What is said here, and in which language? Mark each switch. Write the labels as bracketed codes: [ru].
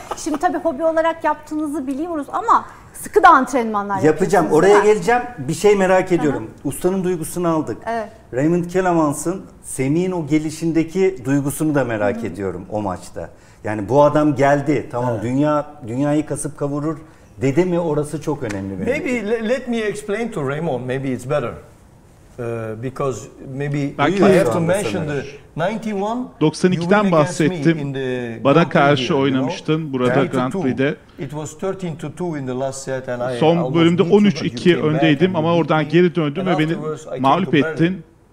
[tr] Şimdi tabii hobi olarak yaptığınızı biliyoruz ama sıkı da antrenmanlar yapacağım. Oraya geleceğim. Bir şey merak ediyorum. Ustanın duygusunu aldık. Evet. Raymond Kölemans'ın Semih'in o gelişindeki duygusunu da merak ediyorum o maçta. Yani bu adam geldi. Tamam dünyayı kasıp kavurur dedi mi? Orası çok önemli. [en] Maybe let me explain to Raymond. Maybe it's better. Because maybe I have to mention the 91. [tr] 92'den bahsettim. Bana karşı oynamıştın burada Grand Prix'de. [en] It was 13-2 in the last set and I. [tr] Son bölümde 13-2 öndeydim ama oradan geri döndüm ve beni mağlup ettin.